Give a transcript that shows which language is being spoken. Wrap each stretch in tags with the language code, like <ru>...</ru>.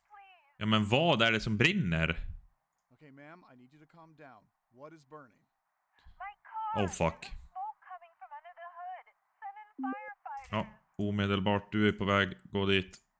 <sv>please. Ja, men vad är det som brinner?</sv> <en>Okay, ma'am, I need you to calm down. What is burning? My car. Oh fuck. Smoke coming from under the hood. Send in firefighters.</en> <sv>Ja, omedelbart, du är på väg, gå dit.</sv>